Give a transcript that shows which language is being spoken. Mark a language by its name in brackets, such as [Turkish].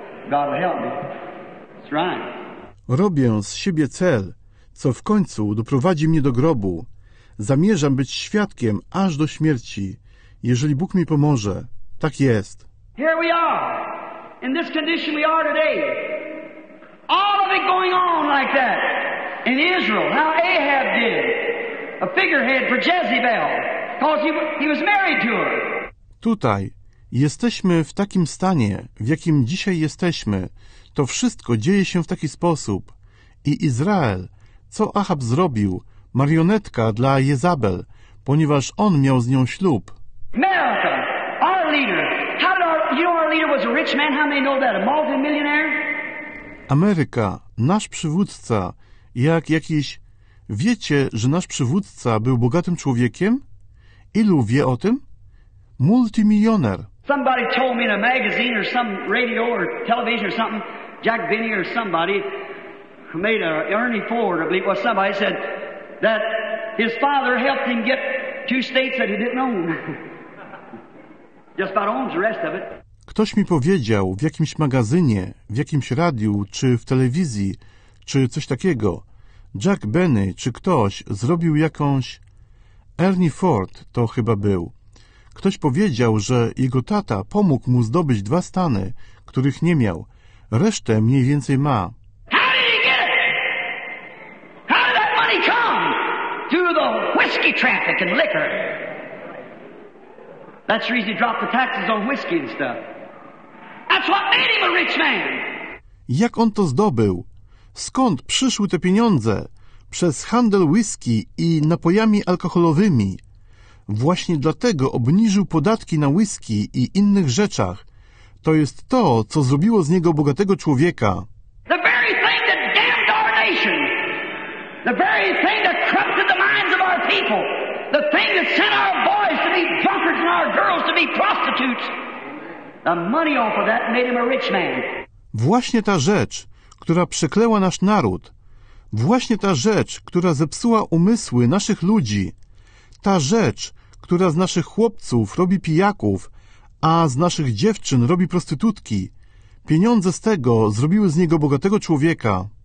[English] God will help me. That's right. [Polish] Robię z siebie cel, co w końcu doprowadzi mnie do grobu. Zamierzam być świadkiem aż do śmierci, jeżeli Bóg mi pomoże. Tak jest. [English] Here we are, in this condition we are today. All of it going on like that in Israel, how Ahab did, a figurehead for Jezebel, because he was married to her. [Polish] Tutaj jesteśmy w takim stanie, w jakim dzisiaj jesteśmy. To wszystko dzieje się w taki sposób. I Izrael, co Ahab zrobił? Marionetka dla Jezabel, ponieważ on miał z nią ślub. [English] America, our leader. How did our leader was a rich man? How many know that? A multimillionaire? [Polish] Ameryka, nasz przywódca, jak jakiś... Wiecie, że nasz przywódca był bogatym człowiekiem? Ilu wie o tym? Multimillioner. [English] Somebody told me in a magazine or some radio or television or something, Jack Benny or somebody made a Ernie Ford, I believe, or somebody said that his father helped him get two states that he didn't own. Just about owns the rest of it. [Polish] Ktoś mi powiedział w jakimś magazynie, w jakimś radiu, czy w telewizji, czy coś takiego. Jack Benny, czy ktoś, zrobił jakąś... Ernie Ford to chyba był. Ktoś powiedział, że jego tata pomógł mu zdobyć dwa stany, których nie miał. Resztę mniej więcej ma. [English] How did he get it? How did that money come? Through the whiskey traffic and liquor. That's the reason he dropped the taxes on whiskey and stuff. That's what made him a rich man. [Polish] Jak on to zdobył? Skąd przyszły te pieniądze? Przez handel whisky i napojami alkoholowymi. Właśnie dlatego obniżył podatki na whisky i innych rzeczach. To jest to, co zrobiło z niego bogatego człowieka. [English] The very thing that damned our nation. The very thing that corrupted the minds of our people. The thing that sent our boys to be drunkards and our girls to be prostitutes. The money off of that made him a rich man. [Polish] Właśnie ta rzecz, która przekleła nasz naród. Właśnie ta rzecz, która zepsuła umysły naszych ludzi. Ta rzecz, która z naszych chłopców robi pijaków, a z naszych dziewczyn robi prostytutki. Pieniądze z tego zrobiły z niego bogatego człowieka.